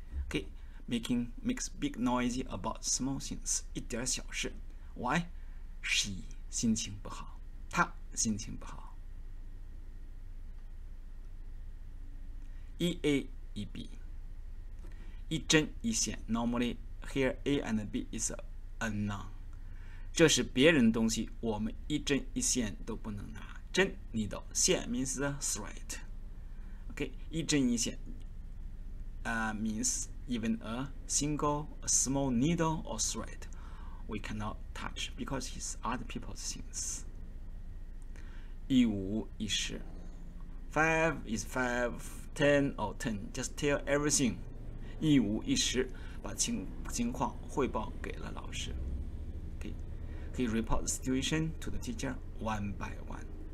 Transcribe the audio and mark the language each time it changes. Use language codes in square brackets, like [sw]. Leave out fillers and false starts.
[en] Okay, makes big noisy about small things, [zh] 一点小事. [en] Why? She [zh] 心情不好，她心情不好. E A E B, 一针一线. [en] Normally, here A and B is a noun. [zh] 这是别人东西，我们一针一线都不能拿. [en] 针 needle, 线 means the thread. Okay, 一针一线, means even a single, a small needle or thread, we cannot touch because it's other people's things. 一五一十.5 is 5, 10 or 10, just tell everything. [zh] 一五一十, 把情况汇报给了老师. [en] Okay. He reports the situation to the teacher one by one.